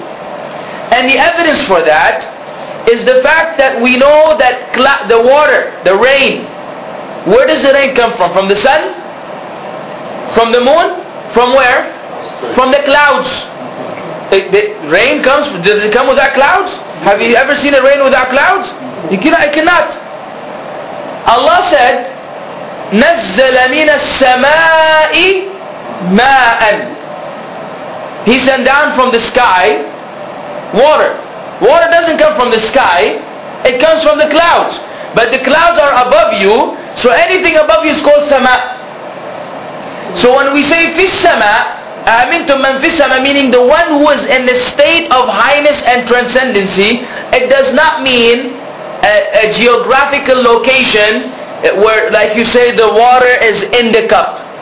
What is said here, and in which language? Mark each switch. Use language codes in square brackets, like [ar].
[en] And the evidence for that is the fact that we know that the water, the rain, where does the rain come from? From the sun? From the moon? From where? From the clouds. The rain comes, does it come without clouds? Have you ever seen a rain without clouds? You cannot. Allah said, [ar] نَزَّلَ مِنَ السَّمَاءِ مَاءً. [en] He sent down from the sky water. Water doesn't come from the sky, it comes from the clouds. But the clouds are above you, so anything above you is called sama. So when we say [ar] فِي السَّمَاءِ, أَمِنْتُمْ مَنْ فِي السَّمَاءِ, [en] meaning the one who is in the state of highness and transcendency, it does not mean a geographical location where, like you say, the water is in the cup.